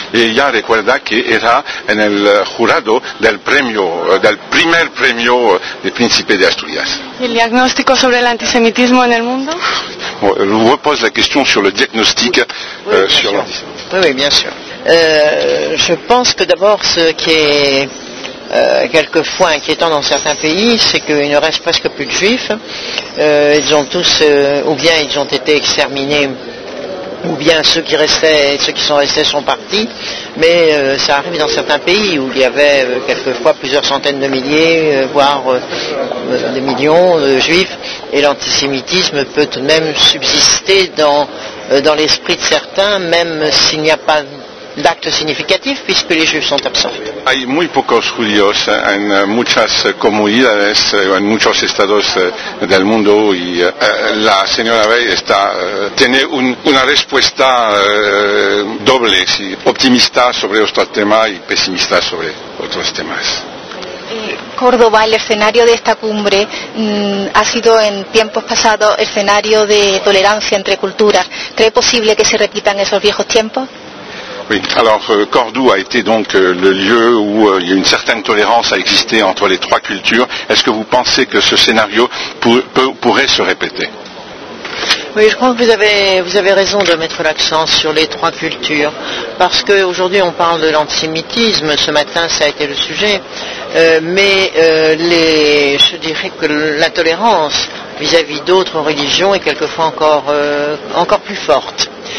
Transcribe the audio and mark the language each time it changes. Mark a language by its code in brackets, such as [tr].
[es] Y ya recuerda que era en el jurado del premio, del primer premio de Príncipe de Asturias. ¿El diagnóstico sobre el antisemitismo en el mundo? [fr] Vous bueno, pose la question sur le diagnostic sur l'antisémitisme. Oui, bien sûr. Je pense que d'abord ce qui est quelquefois inquiétant dans certains pays, c'est qu'il ne reste presque plus de juifs. Ils ont tous, ou bien ils ont été exterminés, ou bien ceux qui restaient, ceux qui sont restés sont partis. Mais ça arrive dans certains pays où il y avait quelquefois plusieurs centaines de milliers, voire des millions de juifs, et l'antisémitisme peut tout de même subsister dans l'esprit de certains, même s'il n'y a pas d'actes significatifs puisque les juifs sont absents. [es] Hay muy pocos judíos en muchas comunidades, en muchos estados del mundo y la señora Bey está, tiene una respuesta doble, sí, optimista sobre otro tema y pesimista sobre otros temas. Córdoba, el escenario de esta cumbre ha sido en tiempos pasados escenario de tolerancia entre culturas. ¿Cree posible que se repitan esos viejos tiempos? [fr] Oui, alors Cordoue a été donc le lieu où il y a une certaine tolérance à exister entre les trois cultures. Est-ce que vous pensez que ce scénario pourrait se répéter? Oui, je crois que vous avez raison de mettre l'accent sur les trois cultures, parce qu'aujourd'hui on parle de l'antisémitisme, ce matin ça a été le sujet, je dirais que la tolérance vis-à-vis d'autres religions est quelquefois encore plus forte.